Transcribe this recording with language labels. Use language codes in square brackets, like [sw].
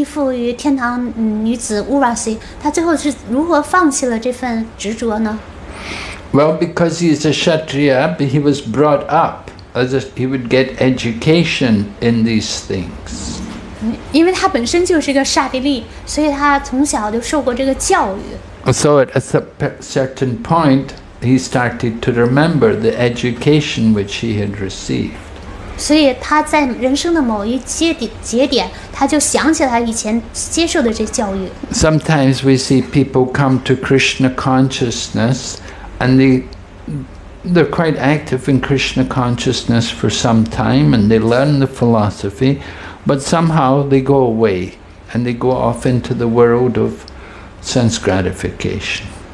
[zh] 普拉瓦国王他这么依附于天堂女子 Urasi, 他最后是如何放弃了这份执着呢？ [en] Well, because he is a Kshatriya, he was brought up as if he would get education in these things. [zh] 因为他本身就是个刹帝利，所以他从小就受过这个教育。 [en] So at a certain point, he started to remember the education which he had received. [zh] 所以他在人生的某一节点，他就想起来以前接受的这教育。 [en] Sometimes we see people come to Krishna consciousness, and they're quite active in Krishna consciousness for some time, and they learn the philosophy, but somehow they go away, and they go off into the world of sense gratification.